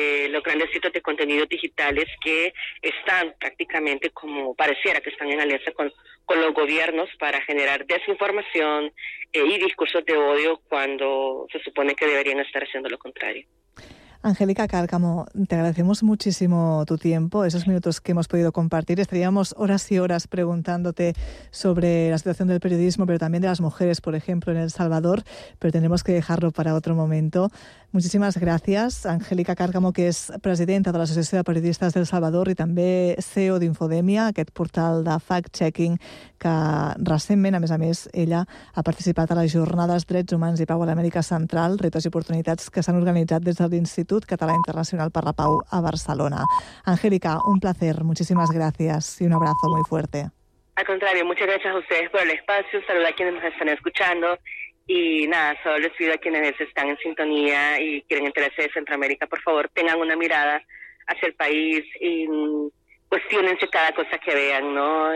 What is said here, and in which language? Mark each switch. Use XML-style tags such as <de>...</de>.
<es>los grandes sitios de contenidos digitales que están prácticamente como pareciera que están en alianza con los gobiernos para generar desinformación y discursos de odio cuando se supone que deberían estar haciendo lo contrario. Angélica Cárcamo, te agradecemos muchísimo tu tiempo, esos minutos que hemos podido compartir. Estaríamos horas y horas preguntándote sobre la situación del periodismo, pero también de las mujeres, por ejemplo, en El Salvador, pero tenemos que dejarlo para otro momento. Muchísimas gracias, Angélica Cárcamo, que es presidenta de la</es> <ca>Associació de Periodistes del Salvador i també CEO d'Infodèmia, aquest portal de fact-checking que recentment, a més, ella ha participat a les jornades Drets Humans i Pau a l'Amèrica Central, retos i oportunitats que s'han organitzat des de l'Institut Català Internacional per la Pau a Barcelona.</ca> <es>Angélica, un placer,</es> <ca>moltíssimes gràcies i</ca> <es>un abrazo muy fuerte. Al contrario, muchas gracias a ustedes por el espacio, un saludo a quienes nos están escuchando. Y nada, solo les pido a quienes están en sintonía y quieren enterarse de Centroamérica, por favor, tengan una mirada hacia el país y cuestionense cada cosa que vean, ¿no?</es>